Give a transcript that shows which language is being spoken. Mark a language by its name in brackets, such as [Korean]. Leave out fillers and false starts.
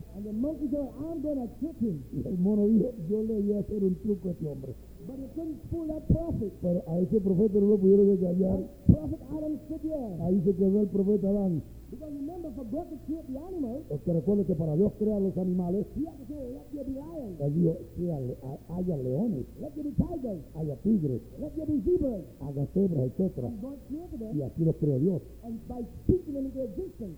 [English] And the monkey said, I'm going to trick him. [Spanish] Y el mono dijo, yo le voy a hacer un truco a este hombre. [English] But he couldn't fool that prophet. [Spanish] Pero a ese profeta no lo pudieron engañar. [English] Prophet Adam stood there. [Spanish] Ahí se quedó el profeta Adán. [English] Because remember, for God to create the animals. [Spanish] Porque recuerde que para Dios crear los animales. [English] He had to say, let there be lions. [Spanish] Él dijo, haya leones. [English] Let there be tigers. [Spanish] Haya tigres. [English] Let there be zebras. [Spanish] Haga cebras, etc. [English] And God created them. [Spanish] Y así los creó Dios. [English] And by speaking them into existence.